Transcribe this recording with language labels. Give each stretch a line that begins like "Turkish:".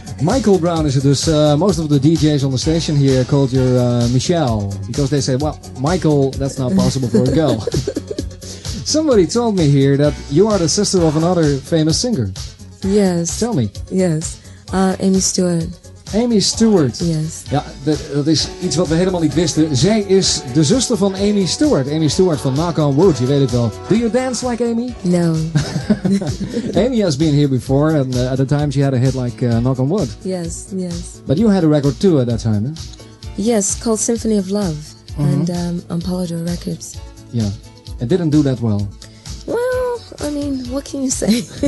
Dutch: Michael Brown is it dus.
English: Most of the DJs on the station here called you Michelle. Because they say, well, Michael, that's not possible for a girl. Somebody told me here that you are the sister of another famous singer. Yes. Tell me. Yes. Amy Stewart. Amy Stewart. Yes.
Dutch: Ja, dat is iets wat we helemaal niet wisten. Zij is de zuster van Amy Stewart. Amy Stewart van Knock on Wood, je weet het wel.
English: Do you dance like Amy? No. Amy has been here before and at the time she had a hit like Knock on Wood. Yes, yes. But you had a record too at that time, huh? Yes, called Symphony of Love. Mm-hmm. And on Polydor Records. Yeah. It didn't do that well. Well, I mean, what can you say?